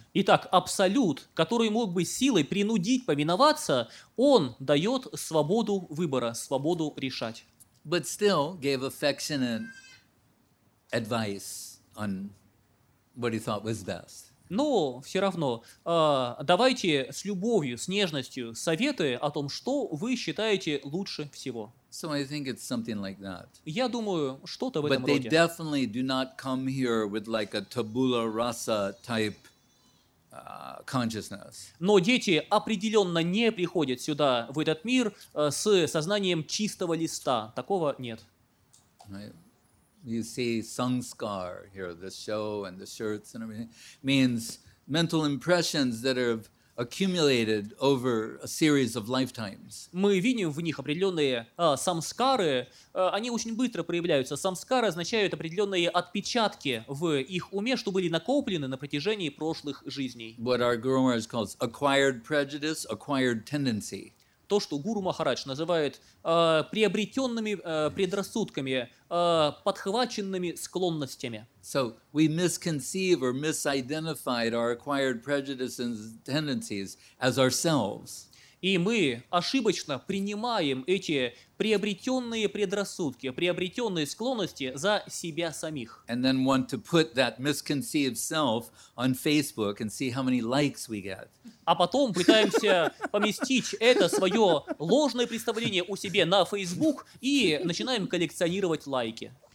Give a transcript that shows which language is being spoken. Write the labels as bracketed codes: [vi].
[ru] Итак, абсолют, который мог бы силой принудить повиноваться, он дает свободу выбора, свободу решать. [en] But still gave affectionate advice on what he thought was best. [ru] Но все равно, давайте с любовью, с нежностью советы о том, что вы считаете лучше всего. [en] So I think it's something like that. [ru] Я думаю, что-то в этом роде. [en] But they definitely do not come here with like a tabula rasa type consciousness. [ru] Но дети определенно не приходят сюда, в этот мир, с сознанием чистого листа. Такого нет. [en] You see sanskar here, the show and the shirts and everything, means mental impressions that are accumulated over a series of lifetimes. [ru] Мы видим в них определенные самскары. Они очень быстро проявляются. Самскары означают определенные отпечатки в их уме, что были накоплены на протяжении прошлых жизней. [en] What our Guru Maharaj calls acquired prejudice, acquired tendency. [ru] То, что Гуру Махарадж называет приобретенными предрассудками, подхваченными склонностями. [en] So we misconceive or misidentified our acquired prejudices and tendencies as ourselves. [ru] И мы ошибочно принимаем эти приобретенные предрассудки, приобретенные склонности за себя самих. [en] And then want to put that misconceived self on Facebook and see how many likes we get. [ru] А потом пытаемся поместить это свое ложное представление у себя на Facebook и начинаем коллекционировать лайки.